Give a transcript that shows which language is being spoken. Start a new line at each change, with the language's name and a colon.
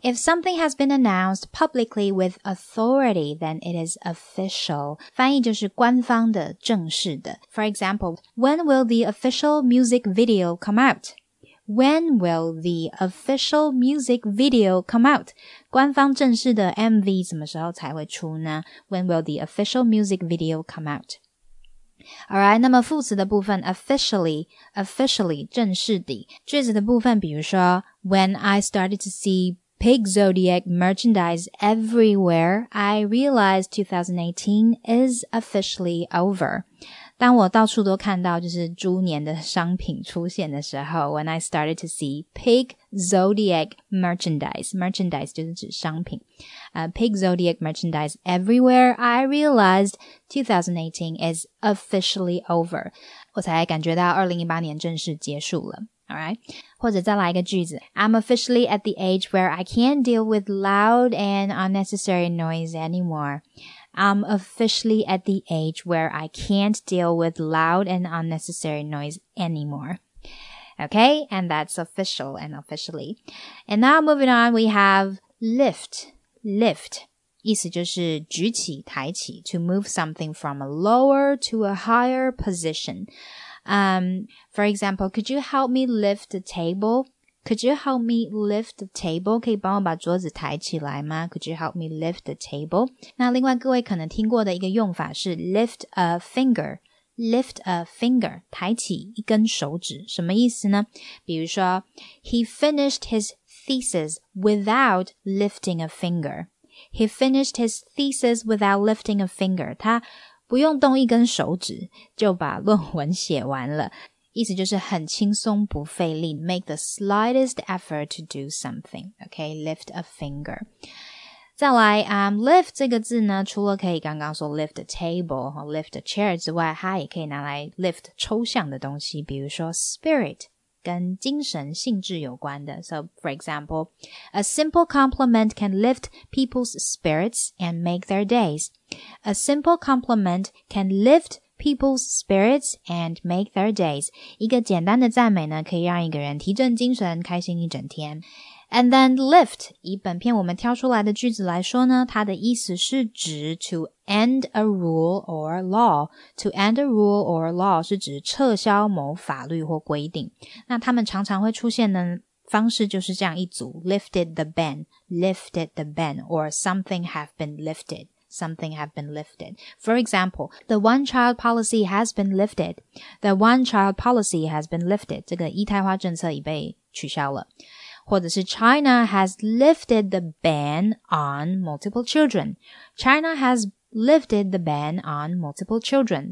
English: If something has been announced publicly with authority, then it is official.
Chinese: 翻译就是官方的、正式的。
English: For example, when will the official music video come out? When will the official music video come out?
Chinese: 官方正式的 MV 什么时候才会出呢?
English: When will the official music video come out? Alright,
Chinese: 那么副词的部分 officially, officially, 正式的。句子的部分比如说
English: When I started to see Pig Zodiac merchandise everywhere, I realized 2018 is officially over.
Chinese: 当我到处都看到就是猪年的商品出现的时候
English: When I started to see Pig Zodiac merchandise, merchandise
Chinese: 就是指商品。
English: Pig Zodiac merchandise everywhere, I realized 2018 is officially over.
Chinese: 我才感觉到2018年正式结束了。
English: Alright?
Chinese: 或者再来一个句子。
English: I'm officially at the age where I can't deal with loud and unnecessary noise anymore. I'm officially at the age where I can't deal with loud and unnecessary noise anymore. Okay, and that's official and officially. And now moving on, we have lift. Lift,
Chinese: 意思就是举起、抬起
English: to move something from a lower to a higher position. For example, could you help me lift the table? Could you help me lift the table?
Chinese: 可以帮我把桌子抬起来吗?
English: Could you help me lift the table?
Chinese: 那另外各位可能听过的一个用法是
English: lift a finger. Lift a finger,
Chinese: 抬起一根手指,什么意思呢?比如说,
English: He finished his thesis without lifting a finger. He finished his thesis without lifting a finger.
Chinese: 他不用动一根手指就把论文写完了。意思就是很轻松不费力,
English: make the slightest effort to do something. Okay, lift a finger.
Chinese: 再来 lift 这个字呢除了可以刚刚说
English: lift a table
Chinese: 和
English: lift a chair
Chinese: 之外它也可以拿来 lift 抽象的东西比如说 spirit 跟精神性质有关的
English: So for example, a simple compliment can lift people's spirits and make their days. A simple compliment can lift people's spirits and make their days.
Chinese: 一个简单的赞美呢可以让一个人提振精神开心一整天
English: And then lift,
Chinese: 以本篇我们挑出来的句子来说呢它的意思是指
English: to end a rule or law. To end a rule or law
Chinese: 是指撤销某法律或规定。那他们常常会出现的方式就是这样一组
English: lifted the ban, or something have been lifted. Something have been lifted. For example, the one child policy has been lifted. The one child policy has been lifted.
Chinese: 这个一胎化政策已被取消了。或者是
English: China has lifted the ban on multiple children. China has lifted the ban on multiple children.